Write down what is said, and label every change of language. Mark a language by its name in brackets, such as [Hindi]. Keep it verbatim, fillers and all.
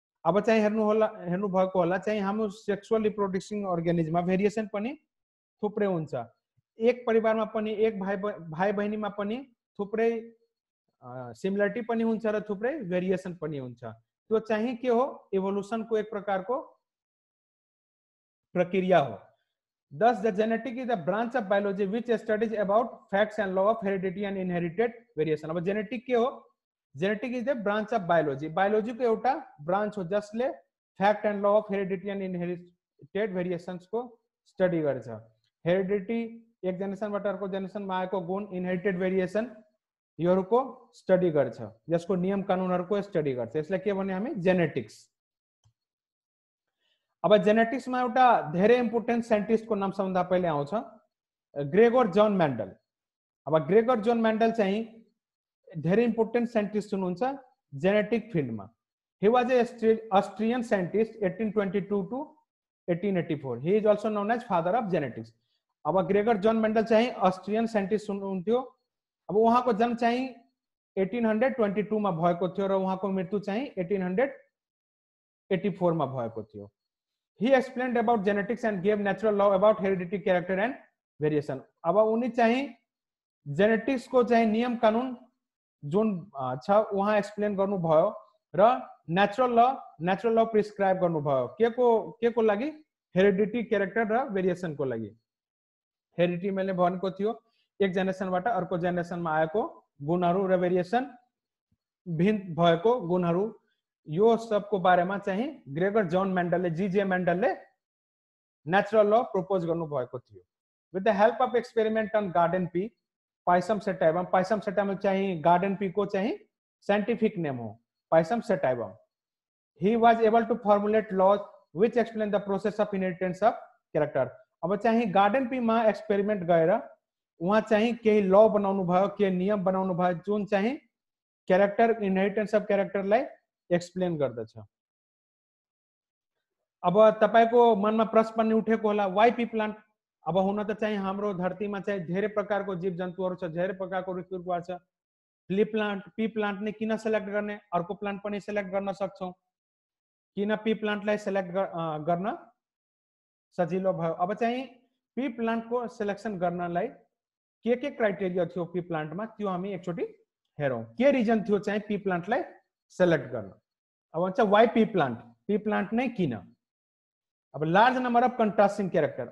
[Nepali] अब चाहिँ हेर्नु होला, हेर्नु भएको होला चाहिँ हाम्रो सेक्सुअल रिप्रोड्युसिङ अर्ग्यानिजममा भेरिएसन पनि थुप्रै हुन्छ। एक परिवारमा पनि, एक भाइ भाइ बहिनीमा पनि थुप्रै सिमिलरिटी पनि हुन्छ र थुप्रै भेरिएसन पनि हुन्छ। त्यो चाहिँ के हो? इभोल्युसनको एक प्रकारको प्रक्रिया हो। [English] Thus, the genetic is a branch of biology which studies about facts and law of heredity and inherited variation. [Nepali] अब genetic के हो? [English] Genetic is a branch of biology. [Nepali] Biology को एउटा branch हो जसले fact and law of heredity and inherited variations को study गर्छ। Heredity एक जेनेरेसनबाट अर्को जेनेरेसनमा आएको गुण, inherited variation योहरूको study गर्छ, यसको नियम कानुनहरूको study गर्छ। यसलाई के भन्ने हामी? genetics। अब जेनेटिक्समा एउटा धेरै इम्पोर्टेन्ट साइन्टिस्टको नाम सबभन्दा पहिले आउँछ ग्रेगोर जन मेन्डल। अब ग्रेगोर जन मेन्डल चाहिँ धेरै इम्पोर्टेन्ट साइन्टिस्ट हुनुहुन्छ जेनेटिक फिल्डमा। [English] He was a Austrian scientist eighteen twenty two two eighteen eighty four. He is also known as father of genetics. [Nepali] अब ग्रेगोर जन मेन्डल चाहिँ अस्ट्रियन साइन्टिस्ट हुनुहुन्थ्यो। अब उहाँको जन्म चाहिँ एट्टिन हन्ड्रेड ट्वेन्टी टूमा भएको थियो र उहाँको मृत्यु चाहिँ एट्टिन हन्ड्रेड एट्टी फोरमा भएको थियो। [English] He explained about genetics and gave natural law about heredity, character and variation. [Nepali] अब उनी चाहिँ जेनेटिक्स को चाहिँ नियम कानुन जुन छ उहाँ एक्सप्लेन गर्नुभयो र नेचुरल ल नेचुरल ल प्रिस्क्राइब गर्नुभयो के को के को लागि? हेरिडिटी क्यारेक्टर र भेरिएसनको लागि। हेरिडिटी मैले भनेको थियो एक जेनेरेसनबाट अर्को जेनेरेसनमा आएको गुणहरू र भेरिएसन भिन्न भएको गुणहरू, यो सबको बारेमा चाहिँ ग्रेगर जन मेन्डलले जीजे मेन्डलले नेचुरल ल प्रपोज गर्नुभएको थियो। [English] With the help of experiment on garden pea, Pisum sativum. [Nepali] Pisum sativum चाहिँ गार्डन पी को चाहिँ साइन्टिफिक नेम हो, Pisum sativum. [English] He was able to formulate laws which explain the process of inheritance of character. [Nepali] अब चाहिँ garden Pima experiment गरेर उहाँ चाहिँ केही ल बनाउनु भयो, केही नियम बनाउनु भयो जुन चाहिँ क्यारेक्टर इनहेरिटेन्स अफ क्यारेक्टरलाई एक्सप्लेन गर्दछ। अब तपाईको मनमा प्रश्न पनि उठेको होला, [English] Why pea plant? [Nepali] अब हुन त चाहिँ हाम्रो धरतीमा चाहिँ धेरै प्रकारको जीव जन्तुहरू छ, धेरै प्रकारको रुख बिरुवा छ। पी प्लान्ट पी प्लान्ट नै किन सेलेक्ट गर्ने? अर्को प्लान्ट पनि सेलेक्ट गर्न सक्छौँ, किन पी प्लान्टलाई सेलेक्ट गर्न सजिलो भयो? अब चाहिँ पी प्लान्टको सेलेक्सन गर्नलाई के के क्राइटेरिया थियो पी प्लान्टमा त्यो हामी एकचोटि हेरौँ। के रिजन थियो चाहिँ पी प्लान्टलाई सेलेक्ट गर्न? अब हुन्छ [English] why pea plant, [Nepali] pea plant नै किन? [English] अब large number of contrasting character.